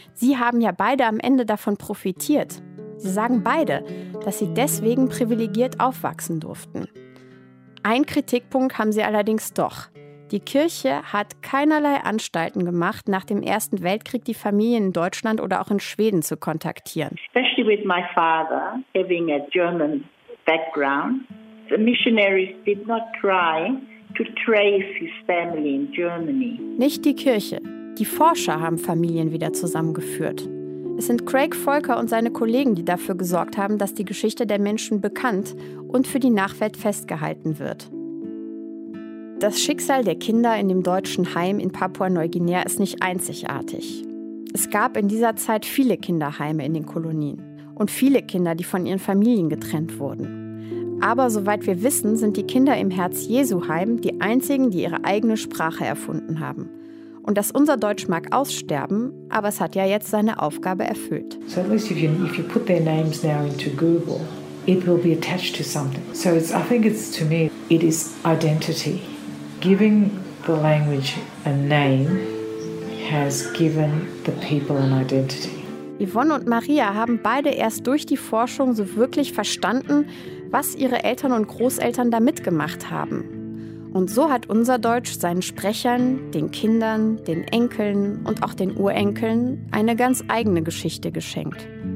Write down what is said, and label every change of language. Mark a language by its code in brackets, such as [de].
[de] Sie haben ja beide am Ende davon profitiert. Sie sagen beide, dass sie deswegen privilegiert aufwachsen durften. Ein Kritikpunkt haben sie allerdings doch. Die Kirche hat keinerlei Anstalten gemacht, nach dem Ersten Weltkrieg die Familien in Deutschland oder auch in Schweden zu kontaktieren. [en] Especially with my father having a German background. The missionaries did not try to trace his family in Germany. [de] Nicht die Kirche. Die Forscher haben Familien wieder zusammengeführt. Es sind Craig Volker und seine Kollegen, die dafür gesorgt haben, dass die Geschichte der Menschen bekannt und für die Nachwelt festgehalten wird. Das Schicksal der Kinder in dem deutschen Heim in Papua-Neuguinea ist nicht einzigartig. Es gab in dieser Zeit viele Kinderheime in den Kolonien und viele Kinder, die von ihren Familien getrennt wurden. Aber soweit wir wissen, sind die Kinder im Herz-Jesu-Heim die einzigen, die ihre eigene Sprache erfunden haben. Und dass unser Deutsch mag aussterben, aber es hat ja jetzt seine Aufgabe erfüllt. [en] So at least if you put their names now into Google, it will be attached to something. So it's, I think it's to me, it is identity. Giving the language a name has given the people an identity. [de] Yvonne und Maria haben beide erst durch die Forschung so wirklich verstanden, was ihre Eltern und Großeltern da mitgemacht haben. Und so hat unser Deutsch seinen Sprechern, den Kindern, den Enkeln und auch den Urenkeln eine ganz eigene Geschichte geschenkt.